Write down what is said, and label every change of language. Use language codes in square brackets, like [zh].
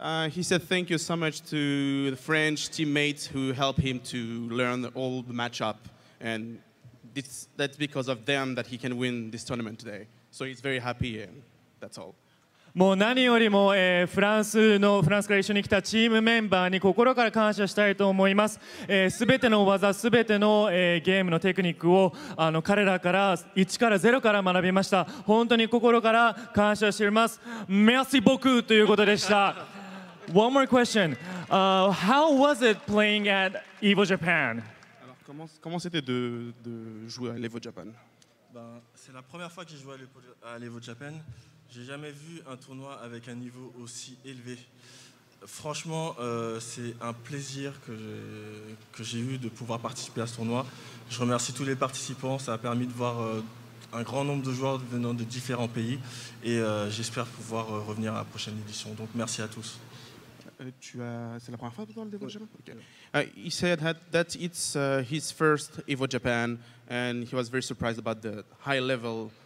[en] He said thank you so much to the French teammates who helped him to learn all the matchup. And that's because of them that he can win this tournament today. So he's very happy, and that's all. [ja] もう何よりも、フランスから一緒に来たチームメンバーに心から感謝したいと思います。すべての技、すべての、ゲームのテクニックを彼らから1から0から学びました。本当に心から感謝しています。 [fr] Merci beaucoup [ja] ということでした。 [en] One more question、How was it playing at EVO Japan? [fr] Alors, comment c'était de jouer à l'EVO Japan? Ben, c'est la première fois que j'ai joué à l'EVO Japan. J'ai jamais vu un tournoi avec un niveau aussi élevé. Franchement, c'est un plaisir que j'ai eu de pouvoir participer à ce tournoi. Je remercie tous les participants. Ça a permis de voir un grand nombre de joueurs venant de différents pays. Et j'espère pouvoir revenir à la prochaine édition. Donc, merci à tous. C'est la première fois que tu as le EVO Japan? Oui. Okay. [en] He said that it's his first EVO Japan. And he was very surprised about the high level.